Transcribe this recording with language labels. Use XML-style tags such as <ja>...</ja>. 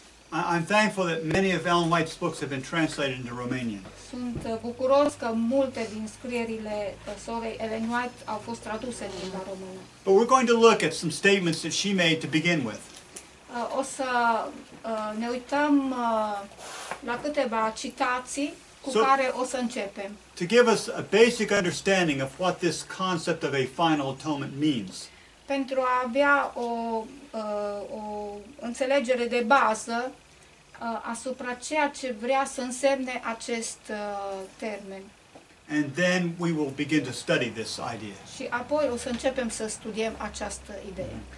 <en>I'm thankful that many of Ellen White's books have been translated into Romanian.</en> <ro>Sunt bucuros că multe din scrierile sorei Ellen White au fost traduse în limba română.</ro> <en>But we're going to look at some statements that she made to begin with.</en> <ro>O să ne uităm la câteva citații cu care o să începem.</ro> <en>To give us a basic understanding of what this concept of a final atonement means.</en> <ro>Pentru a avea o înțelegere de bază asupra ceea ce vrea să însemne acest termen.</ro> <en>And then we will begin to study this idea.</en> <ro>Și apoi o să începem să studiem această idee.</ro>